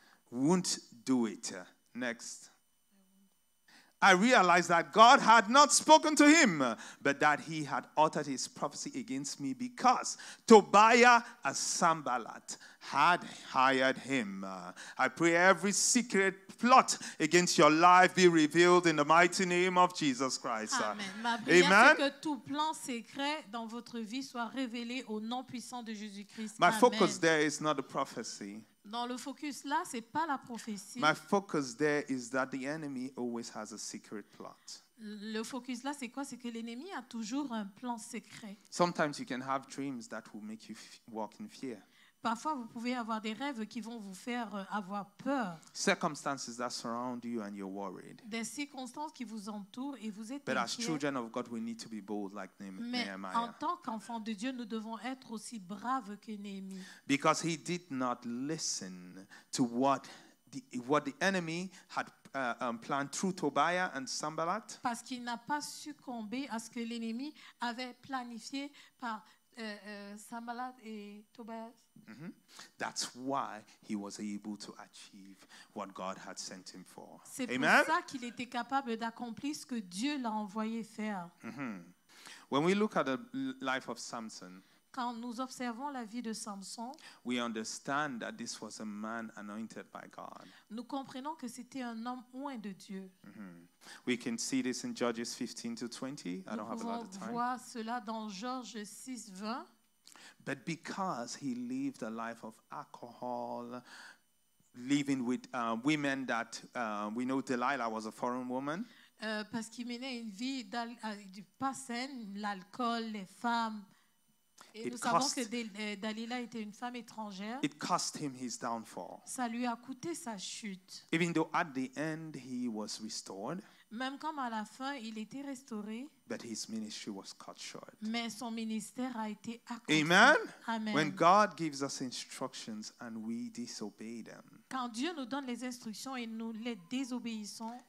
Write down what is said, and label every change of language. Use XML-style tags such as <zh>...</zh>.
<en>Won't do it. Next. I realized that God had not spoken to him, but that he had uttered his prophecy against me because Tobiah and Sambalat had hired him. I pray every secret plot against your life be revealed in the mighty name of Jesus Christ. Amen. Amen.</en> <fr>Que tout plan secret dans votre vie soit révélé au nom puissant de Jésus-Christ.</fr> <en>My focus there is not the prophecy.</en> <fr>Dans le focus là, c'est pas la prophétie.</fr> <en>My focus there is that the enemy always has a secret plot.</en> <fr>Le focus là, c'est quoi? C'est que l'ennemi a toujours un plan secret.</fr> <en>Sometimes you can have dreams that will make you walk in fear.</en> <fr>Parfois, vous pouvez avoir des rêves qui vont vous faire avoir peur.</fr> <en>Circumstances that surround you and you're worried.</en> <fr>Des circonstances qui vous entourent et vous êtes</fr> <en>But</en> <fr>inquiet.</fr> <en>As children of God, we need to be bold like Nehemiah.</en> <fr>En tant qu'enfant de Dieu, nous devons être aussi braves que Nehemiah.</fr> <en>Because he did not listen to what the enemy had planned through Tobiah and Sambalat.</en> <fr>Parce qu'il n'a pas succombé à ce que l'ennemi avait planifié par Sambalat et Tobiah. Mm-hmm.</fr> <en>That's why he was able to achieve what God had sent him for.</en> <fr>C'est Amen? Pour ça qu'il était capable d'accomplir ce que Dieu l'a envoyé faire. Mm-hmm.</fr> <en>When we look at the life of Samson,</en> <fr>quand nous observons la vie de Samson,</fr> <en>we understand that this was a man anointed by God.</en> <fr>Nous comprenons que c'était un homme oint de Dieu.</fr> <en>Mm-hmm. We can see this in Judges 15 to 20.</en> <fr>Nous</fr> <en>I don't have a lot of time.</en> <fr>Pouvons voir cela dans Judges 6, 20.</fr> <en>But because he lived a life of alcohol, living with women that we know Delilah was a foreign woman.</en> <fr>Parce qu'il menait une vie pas saine, l'alcool, les femmes. Et nous savons que Dalila était une femme étrangère.</fr> <en>It cost him his downfall.</en> <fr>Ça lui a coûté sa chute.</fr> <en>Even though at the end he was restored.</en> <fr>Même quand à la fin il était restauré.</fr> <en>But his ministry was cut short.</en> <fr>Mais son ministère a été accompli.</fr> <en>Amen. Amen. When God gives us instructions and we disobey them.</en> <fr>Quand Dieu nous donne les instructions et nous les désobéissons.</fr>